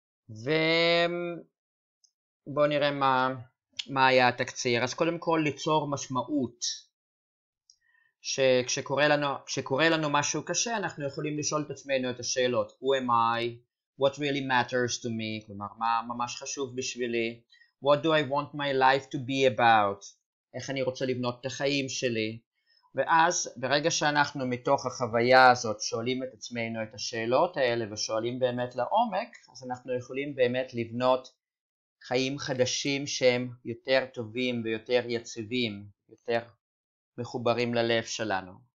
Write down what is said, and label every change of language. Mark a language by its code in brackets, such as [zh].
[he] ובואו נראה מה היה התקציר. אז קודם כל ליצור משמעות. שכשקורה לנו משהו קשה, אנחנו יכולים לשאול את עצמנו את השאלות, [en] Who am I? What really matters to me? [he] כלומר, מה ממש חשוב בשבילי? [en] What do I want my life to be about? [he] איך אני רוצה לבנות את החיים שלי? ואז, ברגע שאנחנו מתוך החוויה הזאת, שואלים את עצמנו את השאלות האלה, ושואלים באמת לעומק, אז אנחנו יכולים באמת לבנות חיים חדשים שהם יותר טובים ויותר יציבים, יותר מחוברים ללב שלנו.